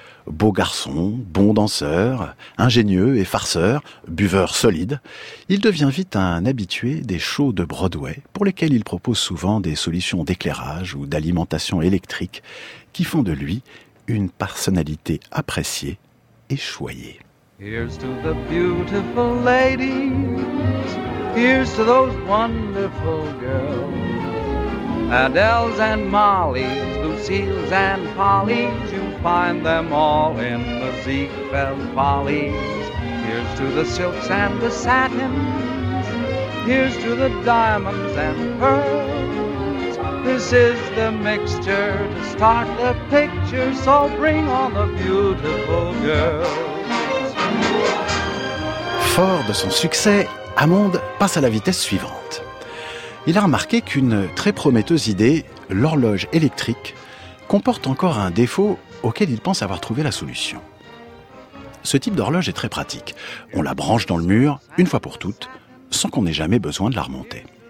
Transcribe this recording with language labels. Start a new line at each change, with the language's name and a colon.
French: Beau garçon, bon danseur, ingénieux et farceur, buveur solide, il devient vite un habitué des shows de Broadway, pour lesquels il propose souvent des solutions d'éclairage ou d'alimentation électrique qui font de lui une personnalité appréciée et choyée.
English: Here's to the beautiful ladies, here's to those wonderful girls, Adele's and Molly's, Lucille's and Polly's, you find them all in the Ziegfeld Follies. Here's to the silks and the satins, here's to the diamonds and pearls. This is the mixture to start the picture, so bring on the beautiful girls.
French: Fort de son succès, Hammond passe à la vitesse suivante. Il a remarqué qu'une très prometteuse idée, l'horloge électrique, comporte encore un défaut auquel il pense avoir trouvé la solution. Ce type d'horloge est très pratique. On la branche dans le mur, une fois pour toutes, sans qu'on ait jamais besoin de la remonter.